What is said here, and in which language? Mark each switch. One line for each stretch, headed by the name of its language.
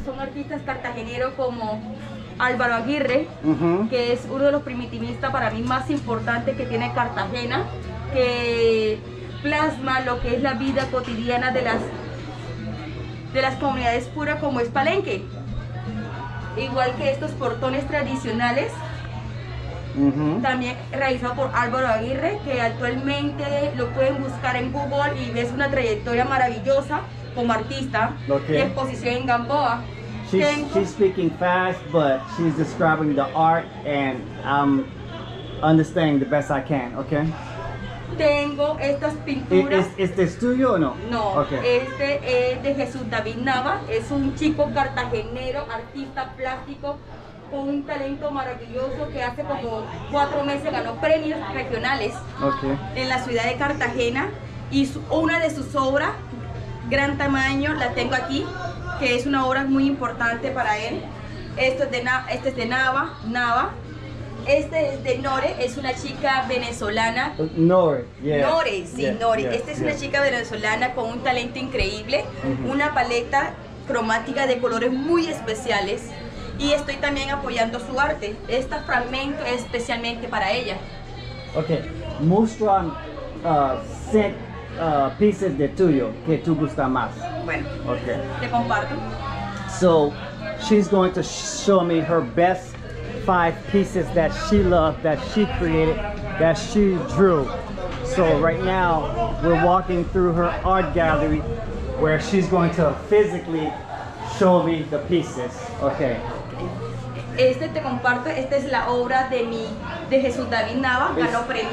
Spanish: Son artistas cartageneros como Álvaro Aguirre, que es uno de los primitivistas para mí más importantes que tiene Cartagena, que plasma lo que es la vida cotidiana de las comunidades puras como es Palenque. Igual que estos portones tradicionales, también realizado por Álvaro Aguirre, que actualmente lo pueden buscar en Google y ves una trayectoria maravillosa como artista.
English: Okay.
Spanish: De exposición en Gamboa.
English: She's speaking fast, but she's describing the art and I'm understanding the best I can, okay?
Spanish: Tengo estas pinturas. ¿Este es tuyo o no? No,
English: okay.
Spanish: Este es de Jesús David Nava. Es un chico cartagenero, artista plástico, con un talento maravilloso que hace como 4 meses ganó premios regionales,
English: okay,
Spanish: en la ciudad de Cartagena. Y una de sus obras, gran tamaño, la tengo aquí, que es una obra muy importante para él. Este es de Nava. Este es de Nore, es una chica venezolana. Nore. Una chica venezolana con un talento increíble, una paleta cromática de colores muy especiales, y estoy también apoyando su arte. Este fragmento es especialmente para ella. Ok, muestran 6 pieces de tuyo que tú gusta más. Bueno,
English: okay.
Spanish: Te comparto.
English: So, she's going to show me her best 5 pieces that she loved, that she created, that she drew. So right now we're walking through her art gallery where she's going to physically show me the pieces. Okay.
Spanish: Este te comparto, esta es la obra de Jesús David Nava, ganó premio.